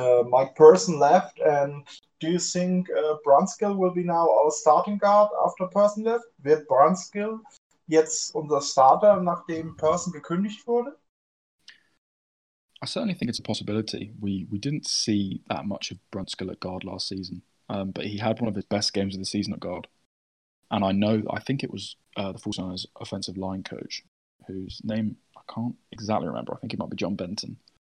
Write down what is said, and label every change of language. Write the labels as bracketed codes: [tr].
[en] Mike Person left and do you think Brunskill will be now our starting guard after Person left? [de] Wird Brunskill jetzt unser Starter, nachdem Person gekündigt wurde? [en] I certainly think it's a possibility. We didn't see that much of Brunskill at guard last season, but he had one of his best games of the season at guard. And I think it was the 49ers offensive line coach, whose name I can't exactly remember. I think it might be John Benton.